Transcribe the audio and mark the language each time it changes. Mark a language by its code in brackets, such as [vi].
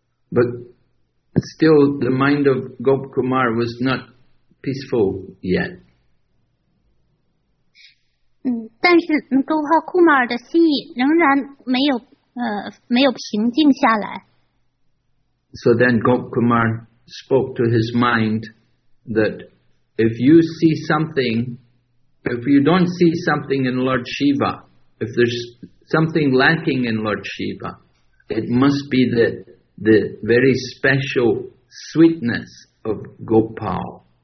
[en] But still, the mind of Gop Kumar was not peaceful yet. [zh] 但但是勾号库马尔的心意仍然没有没有平静下来。 [en] So then Gop Kumar spoke to his mind that if you see something, if you don't see something in Lord Shiva, if there's something lacking in Lord Shiva, it must be the very special sweetness of Gopal.